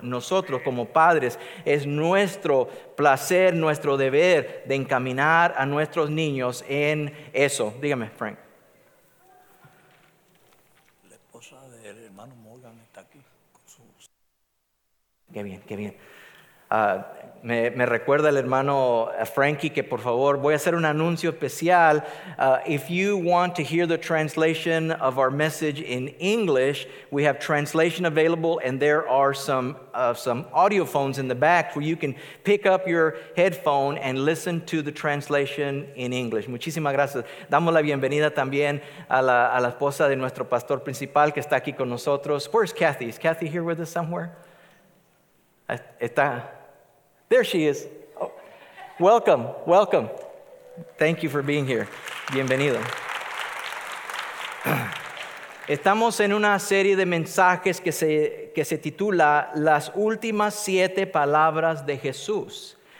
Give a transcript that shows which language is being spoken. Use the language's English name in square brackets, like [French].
[Spanish] Nosotros como padres es nuestro placer, nuestro deber de encaminar a nuestros niños en eso. Dígame, Frank. La esposa del hermano Morgan está aquí con su... Qué bien, qué bien. Me recuerda el hermano Frankie que por favor voy a hacer un anuncio especial. [English] If you want to hear the translation of our message in English, we have translation available, and there are some audio phones in the back where you can pick up your headphone and listen to the translation in English. [Spanish] Muchísimas gracias. Damos la bienvenida también a la esposa de nuestro pastor principal que está aquí con nosotros. [English] Where's Kathy? Is Kathy here with us somewhere? [Spanish] Está. [English] There she is. Oh. Welcome, welcome. Thank you for being here. [Spanish] Bienvenido. Estamos en una serie de mensajes que se titula Las últimas siete palabras de Jesús.